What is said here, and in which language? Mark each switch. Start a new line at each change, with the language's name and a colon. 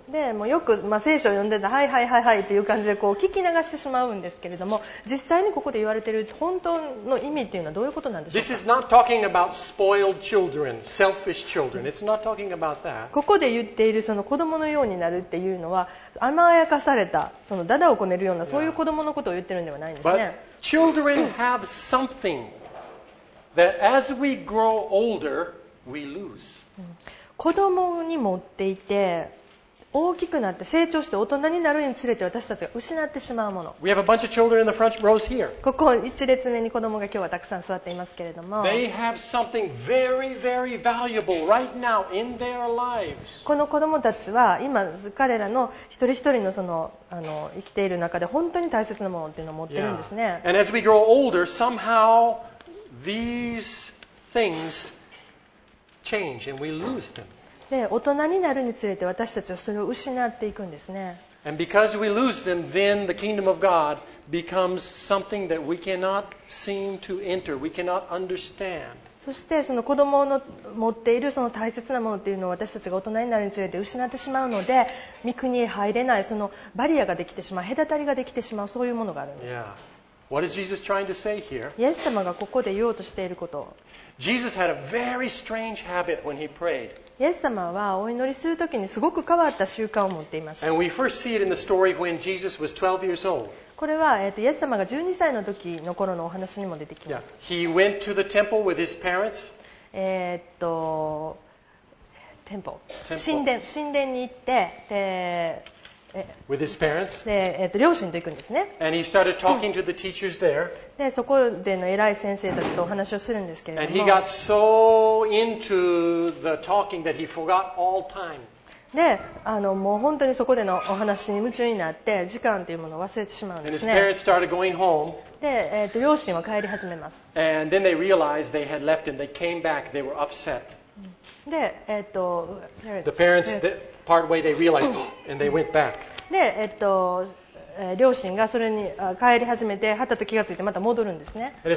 Japanese: で、もうよく聖書を読んでたはいはいはいはいっていう感じでこう聞き流してしまうんですけれども、実際にここで言われている本当の意味っていうのはどういうことなんでしょうか。
English: This is not talking about spoiled children, selfish children. It's not talking about that.
Japanese: ここで言っているその子供のようになるっていうのは甘やかされたそのダダをこねるようなそういう子供のことを言ってるんではないんですね。
English: Children have something that as we grow older, we lose.
Japanese: 子供に持っていて大きくなって成長して大人になるにつれて私たちが失ってしまうもの。
English: We have a bunch of children in the front rows here.
Japanese: ここ一列目に子供が今日はたくさん座っていますけれども。
English: They have something very, very valuable right now in their lives.
Japanese: この子供たちは今彼らの一人一人のその生きている中で本当に大切なものっていうのを持ってるんですね。
English: Yeah. And as we grow older, somehow these things change and we lose them.
Japanese: で大人になるにつれて私たちはそれを失っていくんですね。
English: And because we lose them, then the kingdom of God becomes something that we cannot seem to enter, we cannot understand.
Japanese: そしてその子供の持っているその大切なものというのを私たちが大人になるにつれて失ってしまうので、御国に入れないそのバリアができてしまう、隔たりができてしまう、そういうものがあるんです。
English: Yeah. What is Jesus trying to say here?
Japanese: イエス様がここで言おうとしていること。
English: Jesus had a very strange habit when he prayed.
Japanese: イエス様はお祈りするときにすごく変わった習慣を持っていました。
English: And we first see it in the story when Jesus was 12 years old.
Japanese: これは、イエス様が12歳の時の頃のお話にも出てきます。
English: Yeah. He went to the temple with his parents.
Japanese: Temple. 神殿に行って、
English: With his parents.
Japanese: で、両親と行くんですね。
English: And he started talking to the teachers there.
Japanese: で、そこでの偉い先生たちとお話をするんですけれども。
English: And he got so into the talking that he forgot all time.
Japanese: で、もう本当にそこでのお話に夢中になって時間というものを忘れてしまうんですね。
English: And his parents started going home.
Japanese: で、両親は帰り始めます。
English: And then they realized they had left and they came back. They were upset.
Japanese: で、
English: The parents part way they realized and they went back.
Japanese: で、両親がそれに帰り始めてはったと気がついてまた戻るんですね。